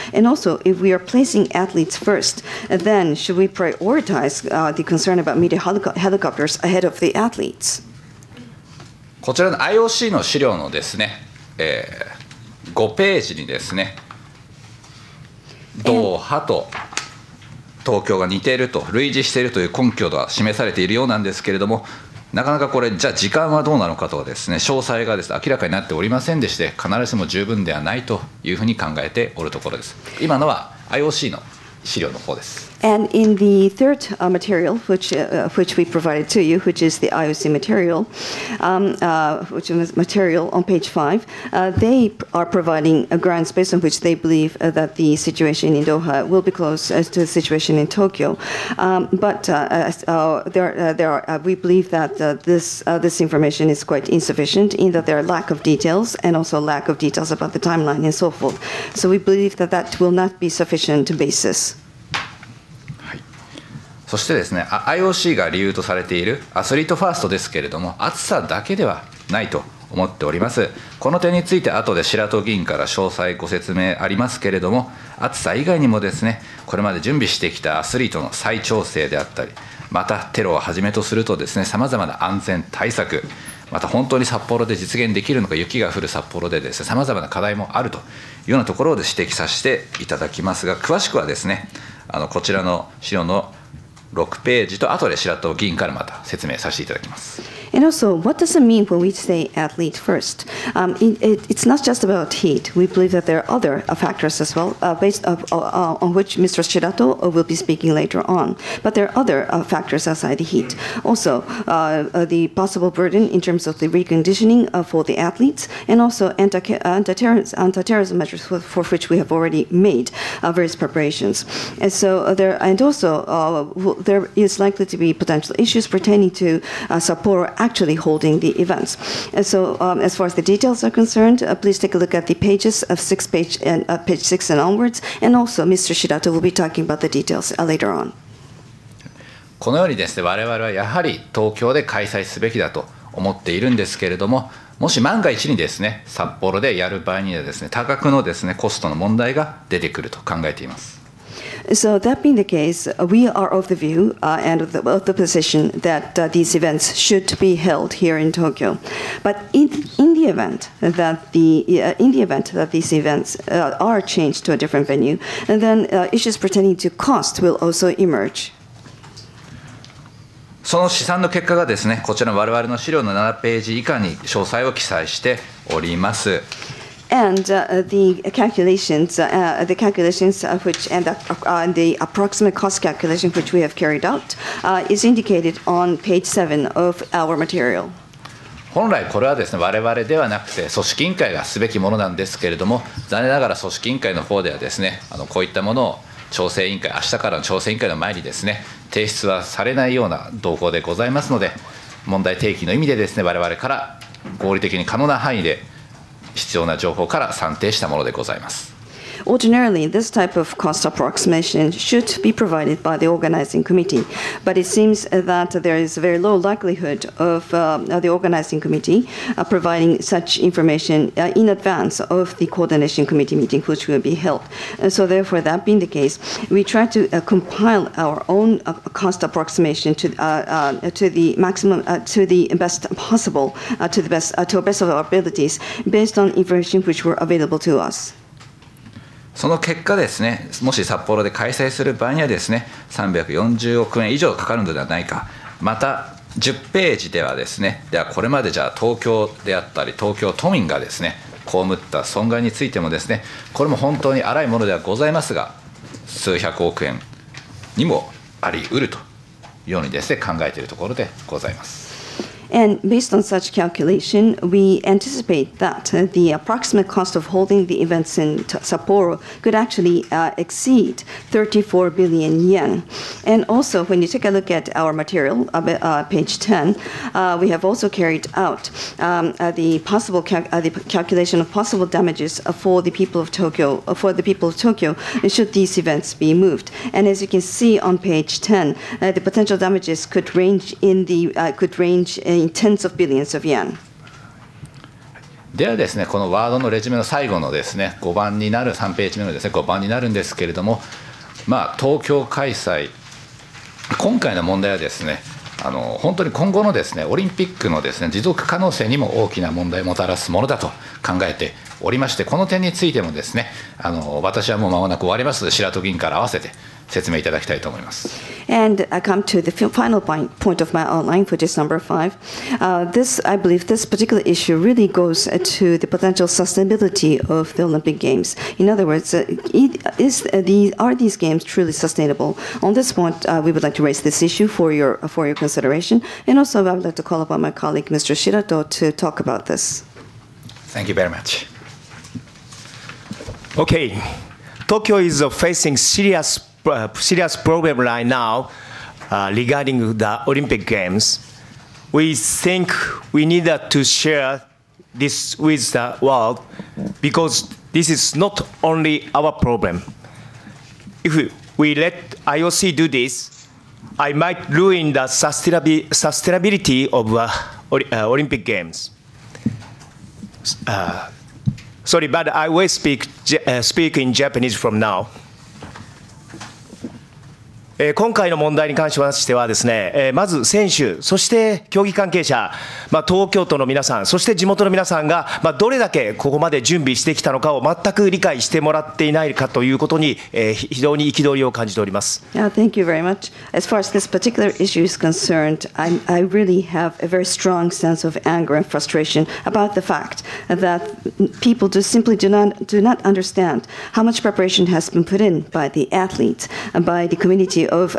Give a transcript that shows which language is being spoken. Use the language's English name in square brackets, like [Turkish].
[English] And also, if we are placing athletes first, then should we prioritize the concern about media helicopters ahead of the athletes? [Japanese] こちらの IOC の資料のですね、5ページにですね、ドーハと東京が似ていると、類似しているという根拠が示されているようなんですけれども、なかなかこれ、じゃあ時間はどうなのかとはですね、詳細がですね、明らかになっておりませんでして、必ずしも十分ではないというふうに考えておるところです。今のは IOC の資料の方です。 [English] And in the third material, which we provided to you, which is the IOC material, which is material on page 5, they are providing grounds based on which they believe that the situation in Doha will be close as to the situation in Tokyo. We believe that this information is quite insufficient in that there are lack of details and also lack of details about the timeline and so forth. So we believe that that will not be sufficient basis. [Japanese] そしてですね、IOC が理由とされているアスリートファーストですけれども、暑さだけではないと思っております。この点について後で白戸議員から詳細ご説明ありますけれども、暑さ以外にもですね、これまで準備してきたアスリートの再調整であったり、またテロをはじめとするとですね、さまざまな安全対策、また本当に札幌で実現できるのか、雪が降る札幌でですね、さまざまな課題もあるというようなところを指摘させていただきますが、詳しくはですね、こちらの資料の6ページと、後で白戸議員からまた説明させていただきます。 [English] And also, what does it mean when we say athlete first? It's not just about heat. We believe that there are other factors as well, based on which Mr. Shirato will be speaking later on. But there are other factors outside the heat. Also, the possible burden in terms of the reconditioning for the athletes, and also anti-terrorism measures for which we have already made various preparations. And so there, and also, there is likely to be potential issues pertaining to support actually holding the events. And so as far as the details are concerned, please take a look at the pages of page six and onwards, and also Mr. Shirato will be talking about the details later on. [Japanese] このようにですね、我々はやはり東京で開催すべきだと思っているんですけれども、もし万が一にですね、札幌でやる場合にはですね、多額のですね、コストの問題が出てくると考えています。 [English] So that being the case, we are of the view and of the position that these events should be held here in Tokyo. But in the event that these events are changed to a different venue, and then issues pertaining to cost will also emerge. [Japanese] その試算の結果がですね、こちらの我々の資料の7ページ以下に詳細を記載しております。 [English] And the approximate cost calculation which we have carried out is indicated on page 7 of our material. [Japanese] 本来これはですね、我々ではなくて組織委員会がすべきものなんですけれども、残念ながら組織委員会の方ではですね、こういったものを調整委員会、明日からの調整委員会の前にですね、提出はされないような動向でございますので、問題提起の意味でですね、我々から合理的に可能な範囲で必要な情報から算定したものでございます。 [English] Ordinarily, this type of cost approximation should be provided by the organizing committee, but it seems that there is a very low likelihood of the organizing committee providing such information in advance of the coordination committee meeting which will be held. So therefore, that being the case, we try to compile our own cost approximation to the best of our abilities based on information which were available to us. [Japanese] その結果ですね、もし札幌で開催する場合にはですね、340億円以上かかるのではないか、また10ページではですね、ではこれまでじゃあ東京であったり、東京都民がですね、被った損害についてもですね、これも本当に荒いものではございますが、数百億円にもありうるというようにですね、考えているところでございます。 [English] And based on such calculation, we anticipate that the approximate cost of holding the events in Sapporo could actually exceed 34 billion yen. And also, when you take a look at our material, page 10, we have also carried out the calculation of possible damages for the people of Tokyo should these events be moved. And as you can see on page 10, the potential damages could range in tens of billions of yen. [Japanese] ではですね、このワードのレジュメの最後のですね、3ページ目のですね、5番になるんですけれども、まあ、東京開催、今回の問題はですね、本当に今後のですね、オリンピックのですね、持続可能性にも大きな問題をもたらすものだと考えておりまして、この点についてもですね、私はもう間もなく終わりますので、白戸議員から合わせて説明いただきたいと思います。 [English] And I come to the final point of my outline, which is number 5. I believe this particular issue really goes to the potential sustainability of the Olympic Games. In other words, are these games truly sustainable? On this point, we would like to raise this issue for your consideration. And also, I would like to call upon my colleague, Mr. Shirato, to talk about this. Thank you very much. Okay. Tokyo is facing serious problem right now regarding the Olympic Games. We think we need to share this with the world because this is not only our problem. If we let IOC do this, I might ruin the sustainability of Olympic Games. Sorry, but I will speak in Japanese from now. [Japanese] 今回の問題に関しましてはですね、まず選手、そして競技関係者、まあ、東京都の皆さん、そして地元の皆さんが、まあ、どれだけここまで準備してきたのかを全く理解してもらっていないかということに、非常に憤りを感じております。 [English] Yeah, thank you very much. As far as this particular issue is concerned, I really have a very strong sense of anger and frustration about the fact that people just simply do not understand how much preparation has been put in by the athletes and by the community.